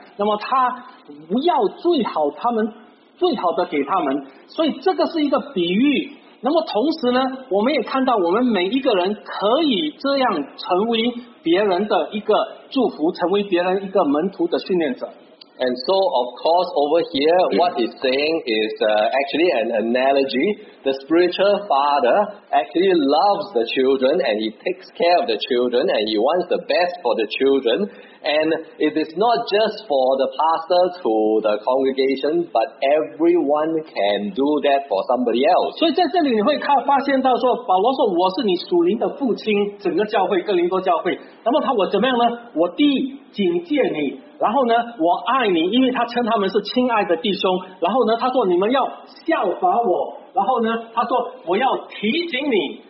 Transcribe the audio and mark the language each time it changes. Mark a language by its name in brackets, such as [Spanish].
[Chinese] 那么他要最好的给他们，所以这个是一个比喻。那么同时呢，我们也看到我们每一个人可以这样成为别人的一个祝福，成为别人一个门徒的训练者。 [English] And so, of course, over here, what he's saying is actually an analogy. The spiritual father actually loves the children and he takes care of the children and he wants the best for the children. And it is not just for the pastor to the congregation, but everyone can do that for somebody else. [Chinese] 所以在这里你会发现到说，保罗说我是你属灵的父亲，整个教会，哥林多教会。那么他我怎么样呢？我弟警戒你。然后呢，我爱你，因为他称他们是亲爱的弟兄。然后呢，他说你们要效法我。然后呢，他说我要提醒你。